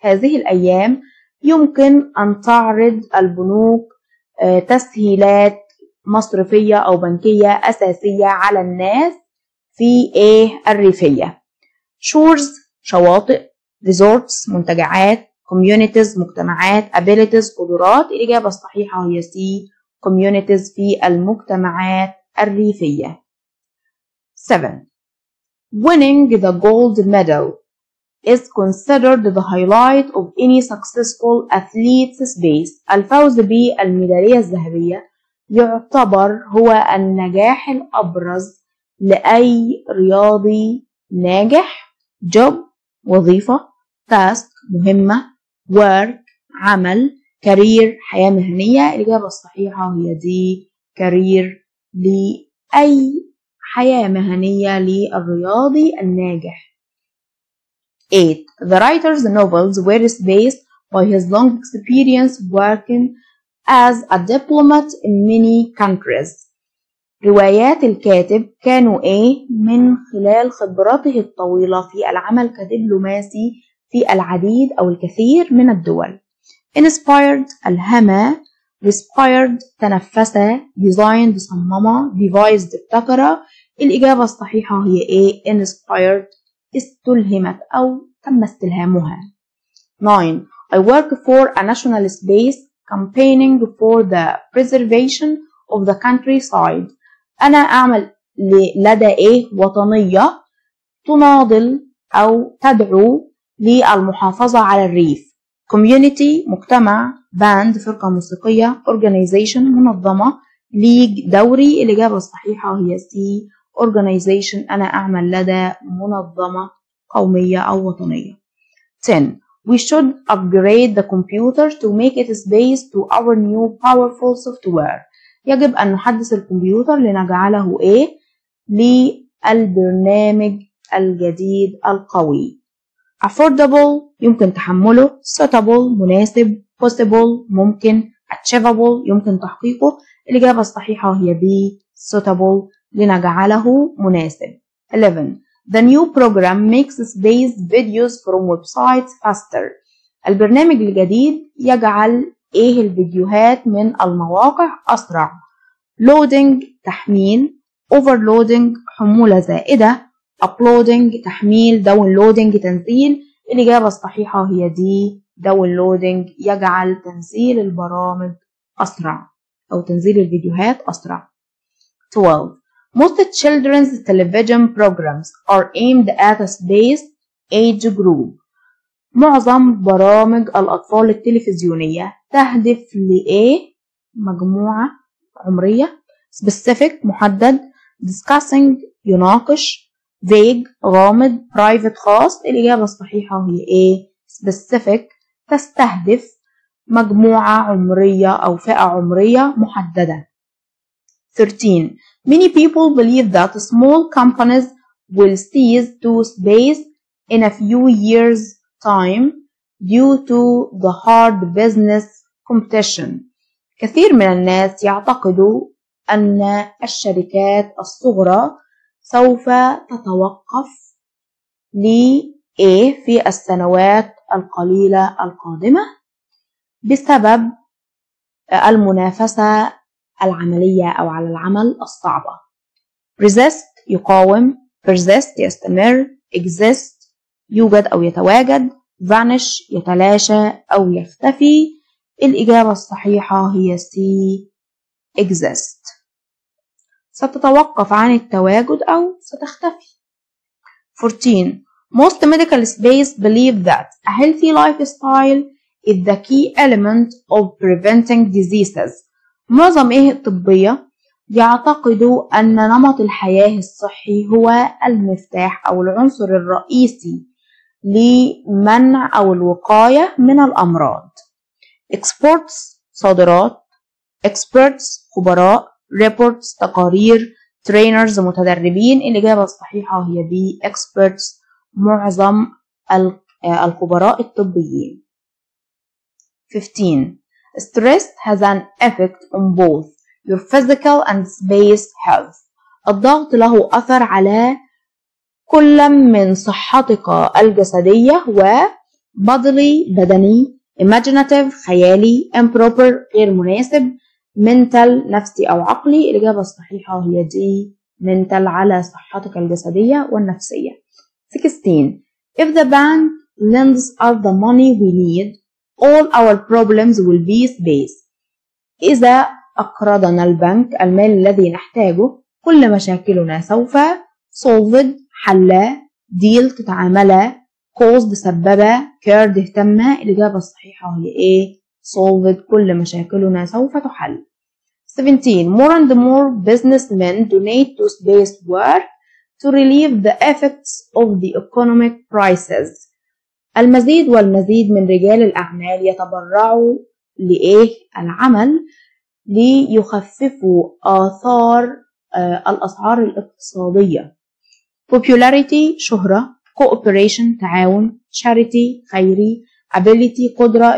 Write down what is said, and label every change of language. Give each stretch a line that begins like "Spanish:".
Arabic: هذه الأيام يمكن أن تعرض البنوك تسهيلات مصرفية أو بنكية أساسية على الناس في الريفية. Shores شواطئ. Resorts منتجعات. Communities مجتمعات. Abilities قدرات. الإجابة الصحيحة هي C communities في المجتمعات الريفية.
English: 7. Winning the gold medal is considered the highlight of any successful athlete's space.
Arabic: الفوز بالميدالية الذهبية يعتبر هو النجاح الأبرز لأي رياضي ناجح. Job وظيفة. Task مهمة. Work عمل. Career حياة مهنية. الإجابة الصحيحة هي دي career لأي حياة مهنية للرياضي الناجح.
English: 8. The writer's novels were based by his long experience working as a diplomat in many countries.
Arabic: روايات الكاتب كانوا إيه من خلال خبراته الطويلة في العمل كدبلوماسي في العديد أو الكثير من الدول. Inspired ألهمة. Respired تنفس. Designed صمم. Devised ابتكر. الإجابة الصحيحة هي A inspired استلهمت أو تم استلهامها.
English: 9. I work for a national space campaigning for the preservation of the countryside.
Arabic: أنا أعمل لدى إيه وطنية تناضل أو تدعو للمحافظة على الريف. Community مجتمع. Band فرقة موسيقية. Organization منظمة. League دوري. الإجابة الصحيحة هي C organization أنا أعمل لدى منظمة قومية أو وطنية.
English: 10. We should upgrade the computer to make it space to our new powerful software.
Arabic: يجب أن نحدث الكمبيوتر لنجعله إيه للبرنامج الجديد القوي. Affordable يمكن تحمله. Suitable مناسب. Possible ممكن. Achievable يمكن تحقيقه. الإجابة الصحيحة هي B suitable لنجعله مناسب.
English: 11. The new program makes space videos from websites faster.
Arabic: البرنامج الجديد يجعل إيه الفيديوهات من المواقع أسرع. Loading تحميل. Overloading حمولة زائدة. Uploading تحميل. Downloading تنزيل. الإجابة الصحيحة هي D downloading يجعل تنزيل البرامج أسرع أو تنزيل الفيديوهات أسرع.
English: 12. Most children's television programs are aimed at a space age group.
Arabic: معظم برامج الأطفال التلفزيونية تهدف لإيه مجموعة عمرية. Specific محدد. Discussing يناقش. vague غامض private خاص. الإجابة الصحيحة هي A specific تستهدف مجموعة عمرية أو فئة عمرية محددة.
English: 13. Many people believe that small companies will cease to space in a few years time due to the hard business competition.
Arabic: كثير من الناس يعتقدوا أن الشركات الصغرى سوف تتوقف لإيه في السنوات القليلة القادمة بسبب المنافسة العملية أو على العمل الصعبة. resist يقاوم، persist يستمر، exist يوجد أو يتواجد، vanish يتلاشى أو يختفي. الإجابة الصحيحة هي C exist، ستتوقف عن التواجد أو ستختفي.
English: 14. Most medical space believe that a healthy lifestyle is the key element of preventing diseases.
Arabic: معظم أهل الطبية يعتقدوا أن نمط الحياة الصحي هو المفتاح أو العنصر الرئيسي لمنع أو الوقاية من الأمراض. Exports صادرات، experts خبراء، reports تقارير، trainers متدربين. الإجابة الصحيحة هي B experts معظم الخبراء الطبيين.
English: 15. Stress has an effect on both your physical and space health.
Arabic: الضغط له أثر على كل من صحتك الجسدية وبدني، بدني، imaginative خيالي، improper غير مناسب، mental نفسي أو عقلي. الإجابة الصحيحة هي D mental على صحتك الجسدية والنفسية.
English: 16. If the bank lends us the money we need, all our problems will be space.
Arabic: إذا أقرضنا البنك المال الذي نحتاجه، كل مشاكلنا سوف solved حلا، deal تتعاملا، caused سببا، cared اهتما. الإجابة الصحيحة هي A solved، كل مشاكلنا سوف تحل.
English: 17. More and more businessmen donate to space work to relieve the effects of the economic crisis.
Arabic: المزيد والمزيد من رجال الأعمال يتبرعوا لإيه العمل ليخففوا آثار الأسعار الاقتصادية. Popularity شهرة، cooperation تعاون، charity خيري، ability قدرة.